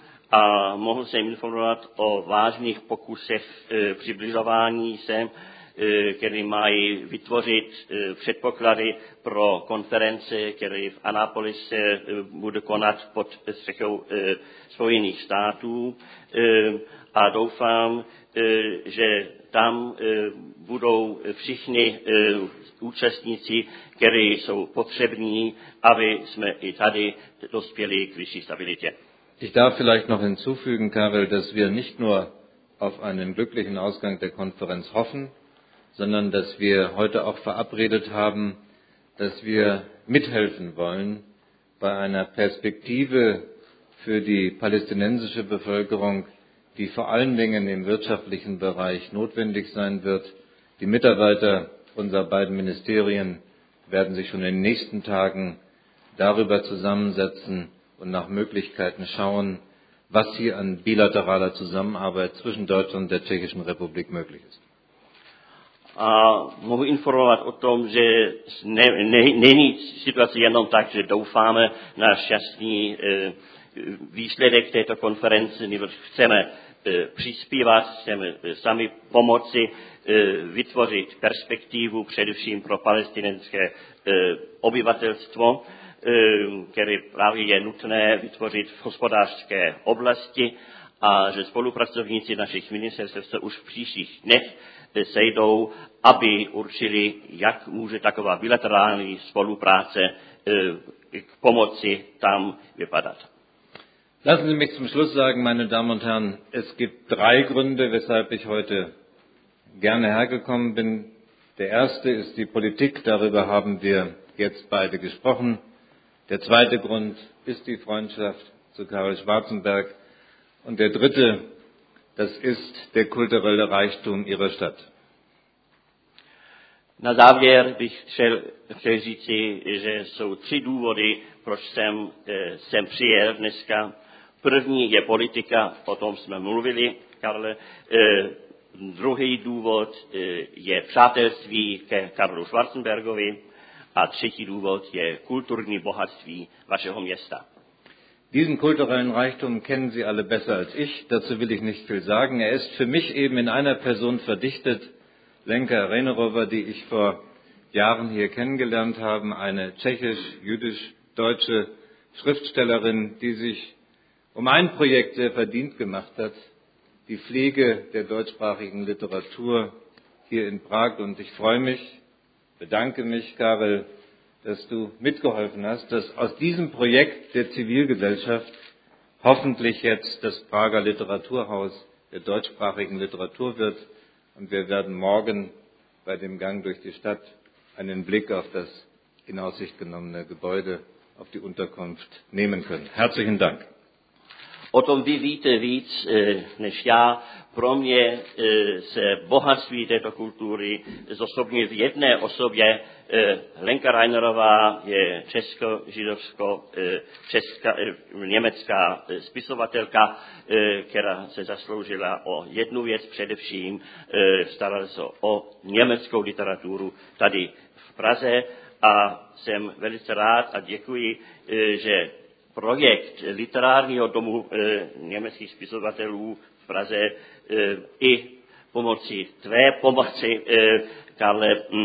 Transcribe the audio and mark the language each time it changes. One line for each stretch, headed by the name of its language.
Czech: A mohl jsem informovat o vážných pokusech přibližování se, které mají vytvořit předpoklady pro konference, které v Annapolis se bude konat pod střechou Spojených států. A doufám, že tam budou všichni účastníci, kteří jsou potřební, aby jsme i tady dospěli k vyšší stabilitě.
German: Ich darf vielleicht noch hinzufügen, Karel, dass wir nicht nur auf einen glücklichen Ausgang der Konferenz hoffen, sondern dass wir heute auch verabredet haben, dass wir mithelfen wollen bei einer Perspektive für die palästinensische Bevölkerung, die vor allen Dingen im wirtschaftlichen Bereich notwendig sein wird. Die Mitarbeiter unserer beiden Ministerien werden sich schon in den nächsten Tagen darüber zusammensetzen und nach Möglichkeiten schauen, was hier an bilateraler Zusammenarbeit zwischen Deutschland und der Tschechischen Republik möglich ist.
Czech: A mohu informovat o tom, že není situace jenom tak, že doufáme na šťastný výsledek této konference, nebož chceme přispívat, chceme sami pomoci vytvořit perspektivu především pro palestinské obyvatelstvo, které právě je nutné vytvořit v hospodářské oblasti, a že spolupracovníci našich ministerstv se už v příštích dnech sejdou, aby určili, jak může taková bilaterální spolupráce k pomoci tam vypadat.
German: Lassen Sie mich zum Schluss sagen, meine Damen und Herren, es gibt drei Gründe, weshalb ich heute gerne hergekommen bin. Der erste ist die Politik, darüber haben wir jetzt beide gesprochen. Der zweite Grund ist die Freundschaft zu Karel Schwarzenberg. Und der dritte Das ist der kulturelle Reichtum ihrer Stadt.
Czech: Na závěr bych chtěl říci, že jsou tři důvody, proč jsem sem přijel dneska. První je politika, o tom jsme mluvili, Karle. Druhý důvod je přátelství ke Karlu Schwarzenbergovi. A třetí důvod je kulturní bohatství vašeho města.
German: Diesen kulturellen Reichtum kennen Sie alle besser als ich, dazu will ich nicht viel sagen. Er ist für mich eben in einer Person verdichtet, Lenka Renerova, die ich vor Jahren hier kennengelernt habe, eine tschechisch-jüdisch-deutsche Schriftstellerin, die sich um ein Projekt sehr verdient gemacht hat, die Pflege der deutschsprachigen Literatur hier in Prag. Und ich freue mich, bedanke mich, Karel, dass du mitgeholfen hast, dass aus diesem Projekt der Zivilgesellschaft hoffentlich jetzt das Prager Literaturhaus der deutschsprachigen Literatur wird. Und wir werden morgen bei dem Gang durch die Stadt einen Blick auf das in Aussicht genommene Gebäude, auf die Unterkunft nehmen können. Herzlichen Dank.
Czech: O tom vy víte víc než já. Pro mě se bohatství této kultury zosobně v jedné osobě. Lenka Reinerová je česko-židovsko-německá spisovatelka, která se zasloužila o jednu věc především, starala se o německou literaturu tady v Praze a jsem velice rád a děkuji, že projekt literárního domu německých spisovatelů v Praze i pomocí tvé pomoci, Karle,